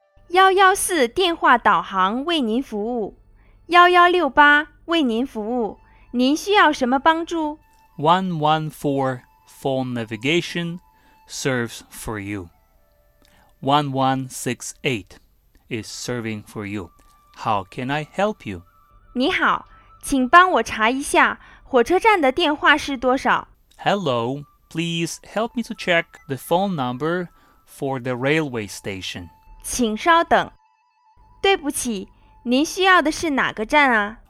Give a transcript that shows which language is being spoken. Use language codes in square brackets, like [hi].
[zh] 114电话导航为您服务1168为您服务您需要什么帮助 [en] 114 phone navigation serves for you 1168 is serving for you How can I help you? [zh] 你好请帮我查一下火车站的电话是多少 [en] Hello, please help me to check the phone number for the railway station [zh] 请稍等对不起您需要的是哪个站啊